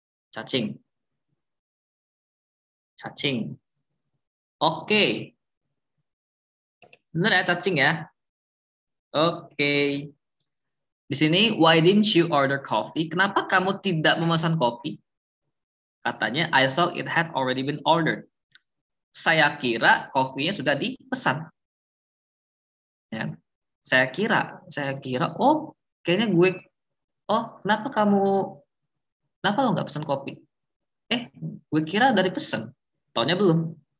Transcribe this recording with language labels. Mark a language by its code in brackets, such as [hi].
[id] Cacing. Cacing. Oke. Benar ya cacing ya? Oke. Di sini, [en] why didn't you order coffee? [id] Kenapa kamu tidak memesan kopi? Katanya, [en] I thought it had already been ordered. [id] Saya kira kopinya sudah dipesan. Ya. Saya kira, oh, kayaknya gue, oh, kenapa lo nggak pesan kopi? Gue kira dari pesan. Taunya belum.